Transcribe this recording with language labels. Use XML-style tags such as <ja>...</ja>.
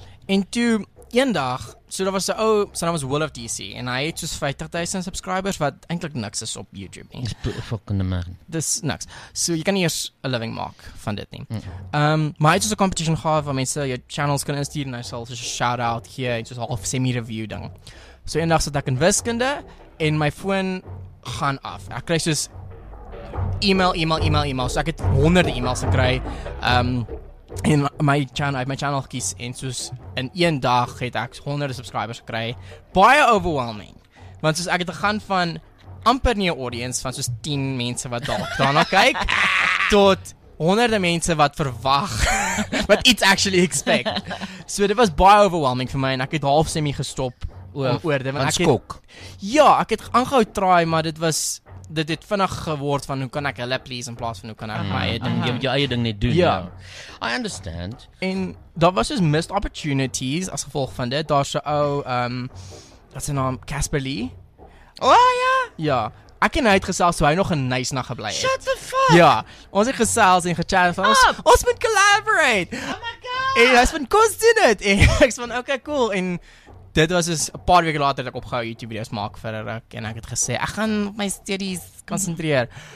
<af>En toe eendag, so daar was 'n ou, sy naam was Will of DC, en hy het soos 50,000 subscribers, wat eintlik niks is op YouTube nie. Dis fucking amazing. Dis niks. So jy kan nie eers 'n living maak van dit nie. Mm-hmm. Maar hy het soos 'n competition gehad waar mense jou channels kan instuur, en hy sal soos 'n shout-out hier, en soos half semi-review ding. So eendag sit ek in wiskunde, en my foon gaan af. Ek kry soos email, so ek het honderde emails gekry, en my channel gekies, en soos in een dag het ek honderde subscribers gekry. Baie overwhelming, want soos ek het gegaan van amper nie 'n audience van soos 10 mense wat dalk daarna kyk tot honderde mense wat verwag wat iets</af> <en>actually expect.</en> <af>So dit was baie overwhelming vir my, en ek het half semi gestop oor dit, want skok. Ja, ek het aangehou try, maar dit het vinnig geword van hoe kan ek hulle please in plaas van hoe kan ek my eie ding, jy eie ding net doen.</af> <en>Yeah. I understand.</en> <af>En daar was dus missed opportunities as gevolg van dit. Daar is 'n ou, wat sy naam, Casper Lee. Oh ja. Ja. Ek en hy het gesels, so hy nog 'n nice nag gebly het.</af> <en>Shut the fuck.</en> <af>Ja. Ons het gesels en gechat van ons moet collaborate.</af> <en>Oh my god.</en> <af>En hy is van, kom doen dit. En ek is van, okay, cool. En dit was dus 'n paar weke later dat ek opgehou YouTube videos maak vir 'n ruk, en ek het gesê ek gaan op my studies konsentreer.</af>